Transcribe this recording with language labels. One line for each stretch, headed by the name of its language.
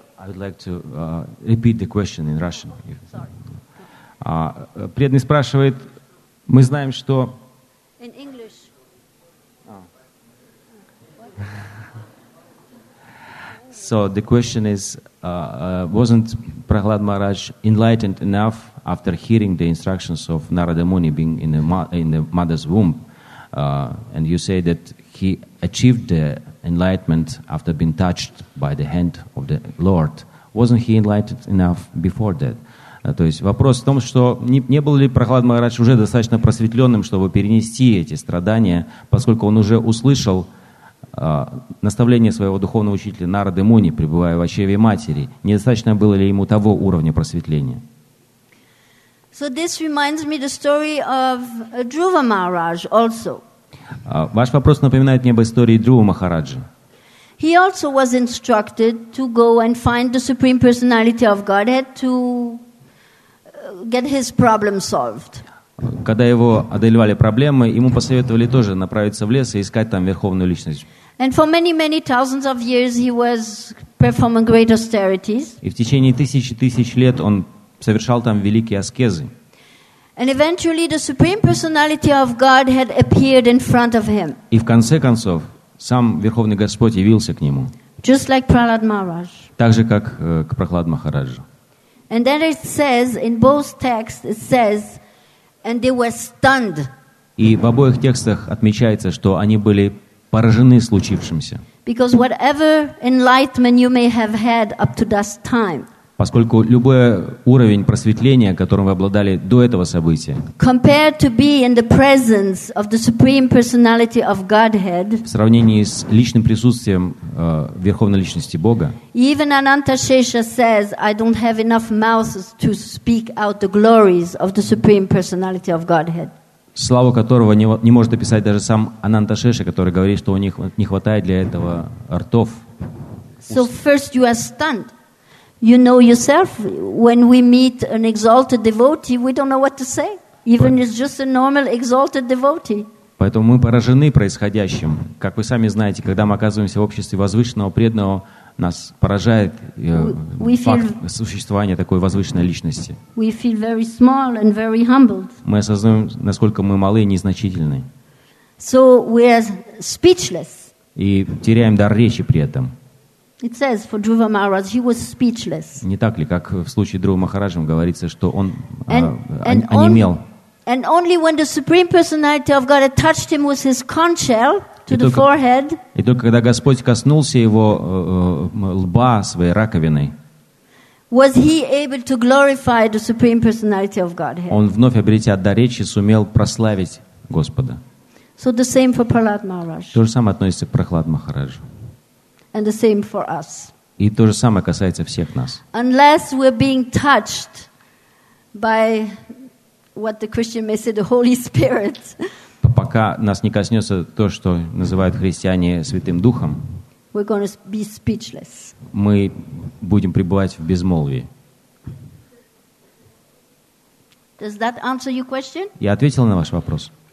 English: I would like to repeat the question in Russian. Sorry.
Russian: Преданный спрашивает, мы знаем, что...
English: In English. So the question is, wasn't Prahlad Maharaj enlightened enough after hearing the instructions of Narada Muni being in the mother's womb? And you say that he achieved the enlightenment after being touched by the hand of the Lord. Wasn't he enlightened enough before that?
Russian: То есть вопрос в том, что не был ли Прохлад Махарадж уже достаточно просветленным, чтобы перенести эти страдания, поскольку он уже услышал наставление своего духовного учителя Нарады Муни, пребывая в очреве матери. Недостаточно было ли ему того уровня просветления?
English: So this reminds me the story of Dhruva Maharaj also.
Russian: Ваш вопрос напоминает мне об истории Друва Махараджи.
English: He also was instructed to go and find the Supreme Personality of Godhead to get his problem solved.
Russian: Когда его одолевали проблемы, ему посоветовали тоже направиться в лес и искать там Верховную Личность.
English: And for many, many thousands of years he was performing great austerities.
Russian: И в течение тысяч и тысяч лет он совершал там великие аскезы.
English: And eventually the Supreme Personality of God had appeared in front of him.
Russian: И в конце концов сам Верховный Господь явился к нему.
English: Just like Prahlad Maharaj.
Russian: Так же, как к Прохлад Махараджу.
English: And then it says, in both texts, it says, and they were stunned.
Russian: И в обоих текстах отмечается, что они были поражены случившимся.
English: Because whatever enlightenment you may have had up to that time,
Russian: поскольку любой уровень просветления, которым вы обладали до этого события,
English: compared to be in the presence of the Supreme Personality of Godhead,
Russian: в сравнении с личным присутствием Верховной Личности Бога,
English: even Ananta Shesha says, I don't have enough mouths to speak out the glories of the Supreme Personality of Godhead.
Russian: Славу которого не может описать даже сам Ананта Шеша, который говорит, что у них не хватает для этого ртов.
English: So first you are stunned. You know yourself, when we meet an exalted devotee, we don't know what to say. Even if it's just a normal exalted devotee.
Russian: Поэтому мы поражены происходящим. Как вы сами знаете, когда мы оказываемся в обществе возвышенного преданного, нас поражает факт существования такой возвышенной личности.
English: We feel very small and very humbled.
Russian: Мы осознаем, насколько мы малы и незначительны.
English: So we are speechless.
Russian: И теряем дар речи при этом.
English: It says for Dhruva Maharaj, he was speechless.
Russian: Не так ли, как в случае Друва Махараджа говорится, что он онемел?
English: And only when the Supreme Personality of God had touched him with his conch shell to the forehead.
Russian: И только когда Господь коснулся его лба своей раковиной.
English: Was he able to glorify the Supreme Personality of Godhead?
Russian: Он вновь обретя дар речи, сумел прославить Господа.
English: So the same for Prahlad Maharaj.
Russian: То же самое относится к Прохлад Махараджу.
English: And the same for us.
Russian: И то же самое касается всех нас.
English: Unless we're being touched by what the Christian may say, the Holy Spirit.
Russian: Пока нас не коснется то, что называют христиане Святым Духом.
English: We're going to be speechless.
Russian: Мы будем пребывать в безмолвии.
English: Does that answer your question?
Russian: Я ответил на ваш вопрос.